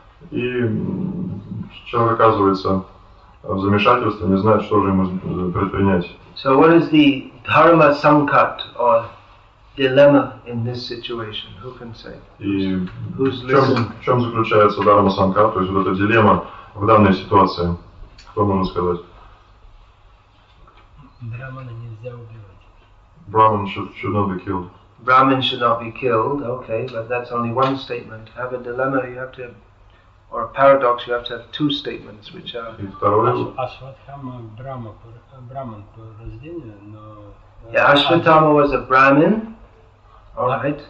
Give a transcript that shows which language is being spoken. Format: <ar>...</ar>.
<ru>И человек оказывается в замешательстве, не знает, что же ему предпринять.</ru> <en>So what is the dharma sankat or dilemma in this situation? Who can say?</en> <ru>И в чем заключается dharma sankat, то есть вот эта дилемма в данной ситуации? Кто может сказать? Брахмана нельзя убивать.</ru> <en>Brahman should not be killed. Brahmin should not be killed, okay, but that's only one statement. Have a dilemma, you have to or a paradox, you have to have two statements which are. Yeah, Ashwatthama was a Brahmin. Alright.</en>